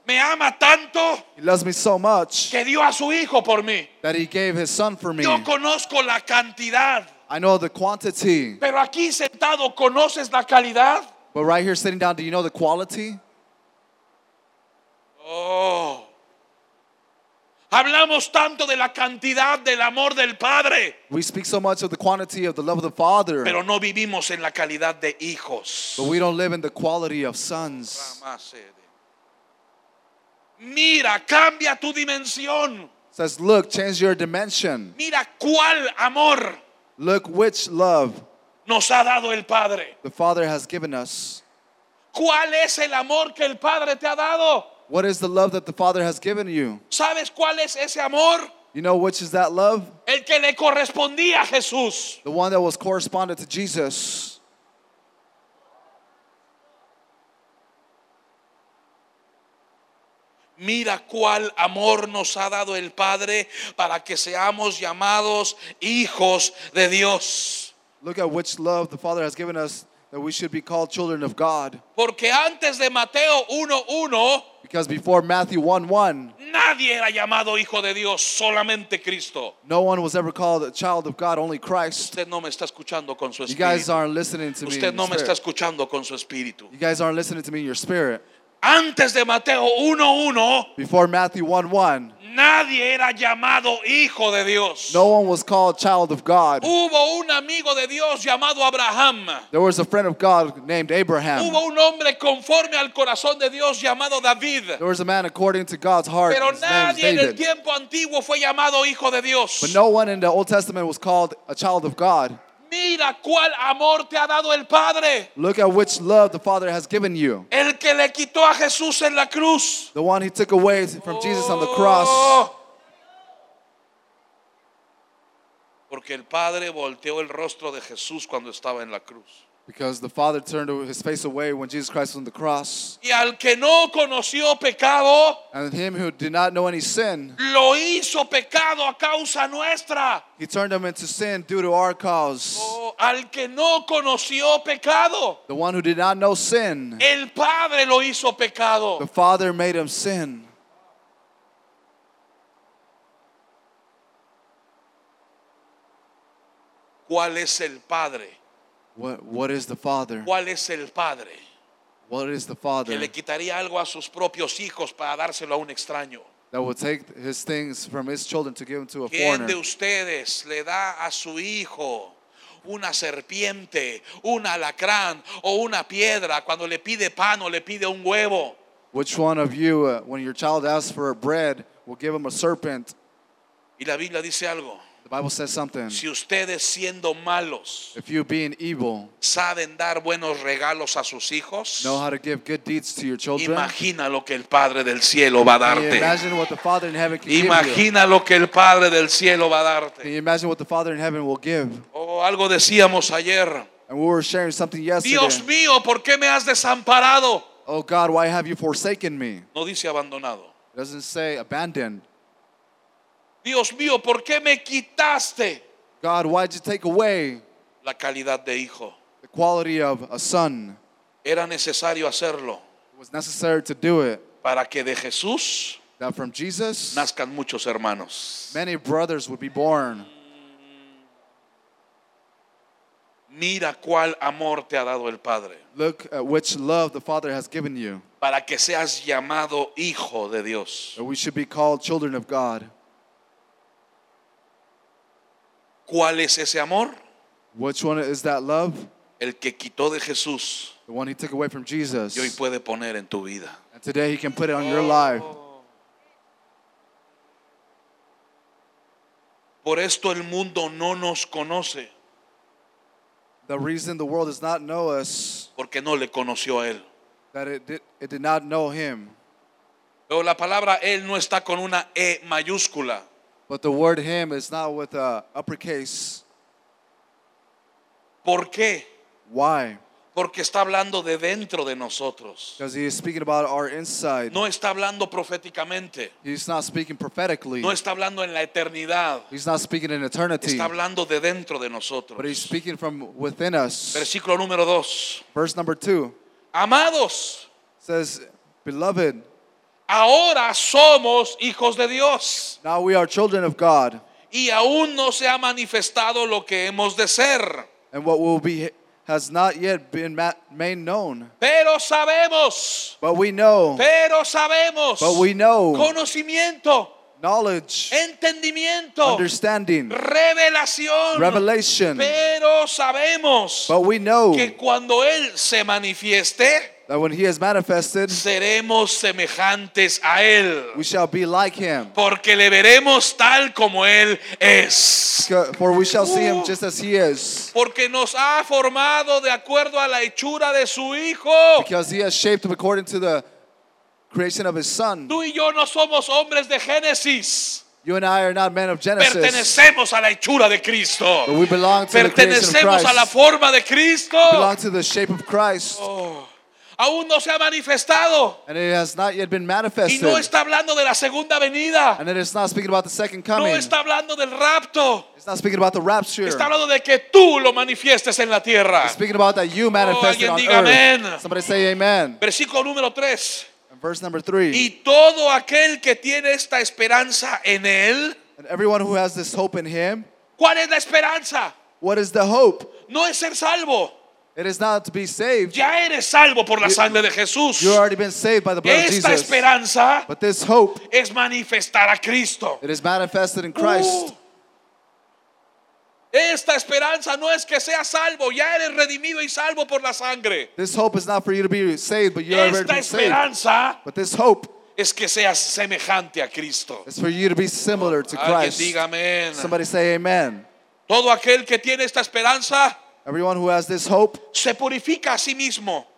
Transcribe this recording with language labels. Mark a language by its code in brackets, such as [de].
[es] Me ama tanto. [en] He loves me so much. [es] Que dio a su hijo por mí. [en] That he gave his son for me. [es] Yo conozco la cantidad. [en] I know the quantity. [es] Pero aquí sentado conoces la calidad. [en] But right here sitting down, do you know the quality? Oh. [es] Hablamos tanto de la cantidad del amor del Padre. [en] We speak so much of the quantity of the love of the Father. [es] Pero no vivimos en la calidad de hijos. [en] But we don't live in the quality of sons. [es] Mira, cambia tu dimensión. [en] Says, look, change your dimension. [es] Mira cuál amor. [en] Look which love. [es] Nos ha dado el Padre. [en] The Father has given us. [es] ¿Cuál es el amor que el Padre te ha dado? [en] What is the love that the Father has given you? [es] ¿Sabes cuál es ese amor? [en] You know which is that love? [es] El que le correspondía a Jesús. [en] The one that was corresponded to Jesus. [es] Mira cuál amor nos ha dado el Padre para que seamos llamados hijos de Dios. [en] Look at which love the Father has given us that we should be called children of God. [es] Porque antes de Mateo 1:1 [en] Because before Matthew 1:1, [es] nadie era llamado hijo de Dios, solamente Cristo. [en] No one was ever called a child of God, only Christ. [es] Usted no me está escuchando con su espíritu. [en] You guys aren't listening to me. [es] Usted no me está escuchando con su espíritu. [en] You guys aren't listening to me in your spirit. [es] Antes de Mateo 1:1, [en] before Matthew 1:1, [es] nadie era llamado hijo de Dios. [en] No one was called child of God. [es] Hubo un amigo de Dios llamado Abraham. [en] There was a friend of God named Abraham. [es] Hubo un hombre conforme al corazón de Dios llamado David. [en] There was a man according to God's heart. [es] Pero nadie en el tiempo antiguo fue llamado hijo de Dios. [en] But no one in the Old Testament was called a child of God. [es] Mira cuál amor te ha dado el Padre. [en] Look at which love the Father has given you. [es] El que le quitó a Jesús en la cruz. [en] The one he took away from Jesus on the cross. [es] Porque el Padre volteó el rostro de Jesús cuando estaba en la cruz. [en] Because the Father turned his face away when Jesus Christ was on the cross. [es] Y al que no conoció pecado, [en] and him who did not know any sin, [es] lo hizo pecado a causa nuestra. [en] He turned him into sin due to our cause. [es] Oh, al que no conoció pecado, [en] the one who did not know sin, [es] el Padre lo hizo pecado. [en] The Father made him sin. [es] ¿Cuál es el Padre? [en] What is the Father? [es] ¿Cuál es el Padre? [en] What is the Father? [es] Que le quitaría algo a sus propios hijos para dárselo a un extraño. [en] That would take his things from his children to give them to a [es] ¿Quién [en] foreigner. [es] ¿De ustedes le da a su hijo una serpiente, un alacrán o una piedra cuando le pide pan o le pide un huevo? [en] Which one of you, when your child asks for a bread, will give him a serpent? [es] Y la Biblia dice algo. [en] The Bible says something. [es] Si ustedes siendo malos, [en] if you being evil, [es] saben dar buenos regalos a sus hijos, [en] know how to give good deeds to your children. [es] Imagina lo que el Padre del cielo va a darte. [en] Can you imagine what the Father in heaven can [es] imagina [en] give you? [es] Lo que el Padre del cielo va a darte. [en] Can you imagine what the Father in heaven will give? [es] Oh, algo decíamos ayer. [en] And we were sharing something yesterday. [es] Dios mío, ¿por qué me has desamparado? [en] Oh God, why have you forsaken me? [es] No dice abandonado. [en] It doesn't say abandoned. [es] Dios mío, ¿por qué me quitaste? [en] God, why did you take away [es] la calidad de hijo? [en] The quality of a son. [es] Era necesario hacerlo. [en] It was necessary to do it. [es] para que de Jesús [en] that from Jesus, [es] nazcan muchos hermanos. [en] Many brothers would be born. [es] Mira cuál amor te ha dado el Padre. [en] Look at which love the Father has given you. [es] Para que seas llamado hijo de Dios. [en] That we should be called children of God. [es] ¿Cuál es ese amor? [en] Which one is that love? [es] El que quitó de Jesús. [en] The one he took away from Jesus. [es] Y hoy puede poner en tu vida. [en] And today he can put it on your life. [es] Por esto el mundo no nos conoce. [en] The reason the world does not know us. [es] Porque no le conoció a él. [en] That it did not know him. [es] Pero la palabra él no está con una E mayúscula. [en] But the word him is not with a uppercase. [es] ¿Por qué? [en] Why? [es] Porque está hablando de dentro de nosotros. [en] Because he is speaking about our inside. [es] No está hablando proféticamente. [en] He's not speaking prophetically. [es] No está hablando en la eternidad. [en] He's not speaking in eternity. [es] Está hablando de dentro de nosotros. [en] But he's speaking from within us. [es] Versículo número 2. [en] Verse number 2. [es] Amados. [en] Says, beloved. [es] Ahora somos hijos de Dios. [en] Now we are children of God. [es] Y aún no se ha manifestado lo que hemos de ser. [en] And what will be has not yet been made known. [es] Pero sabemos. [en] But we know. [es] Pero sabemos. [en] But we know. [es] Conocimiento. [en] Knowledge. [es] Entendimiento. [en] Understanding. [es] Revelación. [en] Revelation. [es] Pero sabemos. [en] But we know. [es] Que cuando él se manifieste. [en] That when he is manifested, [es] seremos semejantes a él. [en] We shall be like him. [es] Porque le veremos tal como él es. [en] For we shall see him just as he is. [es] Porque nos ha formado de acuerdo a la hechura de su hijo. [en] Because he has shaped him according to the creation of his son. [es] Tú y yo no somos hombres de Génesis. [en] You and I are not men of Genesis. [es] Pertenecemos a la hechura de Cristo. [en] But we belong to the creation of Christ. [es] Pertenecemos a la forma de Cristo. [en] We belong to the shape of Christ. [es] Oh. Aún no se ha manifestado. [en] And it has not yet been manifested. [es] Y no está hablando de la segunda venida. [en] And it is not speaking about the second coming. [es] No está hablando del rapto. [en] It's not speaking about the rapture. [es] Está hablando de que tú lo manifiestes en la tierra. [en] It's speaking about that you manifest oh, it on [es] diga [en] earth. Amen. Somebody say amen. [es] Versículo número 3. [en] Verse number 3. [es] Y todo aquel que tiene esta esperanza en él. [en] And everyone who has this hope in him. [es] ¿Cuál es la esperanza? [en] What is the hope? [es] No es ser salvo. [en] It is not to be saved. [es] Ya eres salvo por la sangre de Jesús. [en] You already been saved by the blood [es] esta [en] of Jesus. [es] Esperanza [en] but this hope [es] es manifestar a Cristo. [en] It is manifested in Christ. [es] Esta esperanza no es que seas salvo. Ya eres redimido y salvo por la sangre. [en] This hope is not for you to be saved, but you [es] esta [en] already been saved. [es] Esta esperanza [en] but this hope [es] es que seas semejante a Cristo. [en] It's for you to be similar to Christ. [es] Alguien diga amén. [en] Somebody say amen. [es] Todo aquel que tiene esta esperanza [en] everyone who has this hope [es] se purifica a sí mismo.